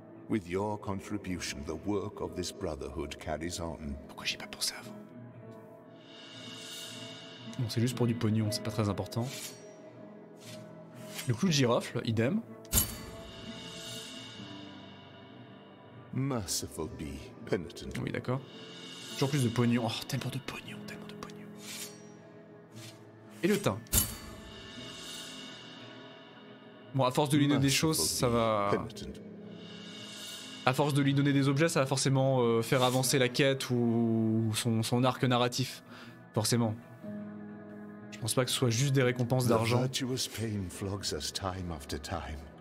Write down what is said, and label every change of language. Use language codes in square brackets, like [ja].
[en] With your contribution, the work of this brotherhood carries on. [fr] Pourquoi j'ai pas pensé avant? Bon, c'est juste pour du pognon, c'est pas très important. Le clou de girofle, idem. [en] Merciful be, penitent. [fr] Oui, d'accord. Toujours plus de pognon. Oh, tellement de pognon, tellement de pognon. Et le thym. Bon, à force de lui donner des choses, ça va... À force de lui donner des objets, ça va forcément faire avancer la quête ou son arc narratif. Forcément. Je pense pas que ce soit juste des récompenses d'argent. [en] The virtuous pain flogs us time after time.